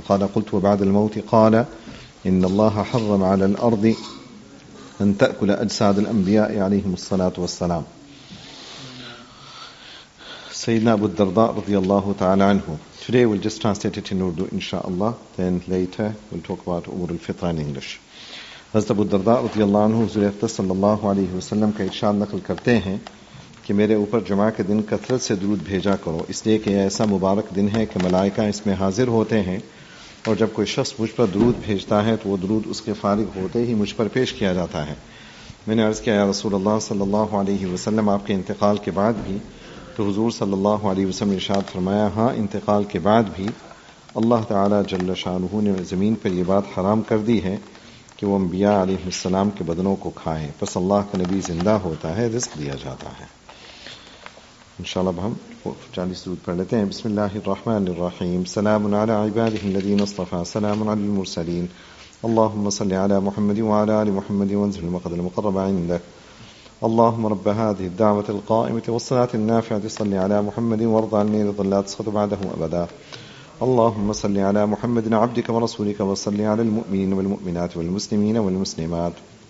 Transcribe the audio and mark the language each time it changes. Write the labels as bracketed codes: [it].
[ar] قال: قلت وبعد الموت؟ قال: إن الله حرم على الأرض أن تأكل أجساد الأنبياء عليهم الصلاة والسلام. سيدنا أبو الدرداء رضي الله تعالى عنه. [en] Today we'll just translate it in Urdu, inshallah. Then later we'll talk about Umur al-Fitr in English. [ur] حضرت ابو الدرداء رضی اللہ عنہ حضور اکرم صلی اللہ علیہ وسلم کا ارشاد نقل کرتے ہیں کہ میرے اوپر جمعہ کے دن کثرت سے درود بھیجا کرو، اس لیے کہ یہ ایسا مبارک دن ہے کہ ملائکہ اس میں حاضر ہوتے ہیں، اور جب کوئی شخص مجھ پر درود بھیجتا ہے تو وہ درود اس کے فارغ ہوتے ہی مجھ پر پیش کیا جاتا ہے. میں نے عرض کیا: یا رسول اللہ صلی اللہ علیہ وسلم، آپ کے انتقال کے بعد بھی؟ تو حضور صلی اللہ علیہ وسلم نے ارشاد فرمایا: ہاں، انتقال کے بعد بھی. اللہ تعالیٰ جل شانہ نے زمین پر یہ بات حرام کر دی ہے کہ وہ انبیاء علیہ السلام کے بدنوں کو کھائیں، پس اللہ کا نبی زندہ ہوتا ہے، رزق دیا جاتا ہے. انشاءاللہ اب ہم 40 درود پڑھ لیتے ہیں. بسم اللہ الرحمن الرحیم. [ar] سلام علی عباده الذین اصطفى. سلام علی المرسلین. اللهم صل علی محمد وعلی آل محمد وانزل المقد المقرب عندك. اللهم رب هذه الدعوة القائمة والصلاة النافعة، صل علی محمد وارض عنی رضا لا تسخط بعده ابدا. اللهم صل على محمد عبدك ورسولك، وصل على المؤمنين والمؤمنات والمسلمين والمسلمات.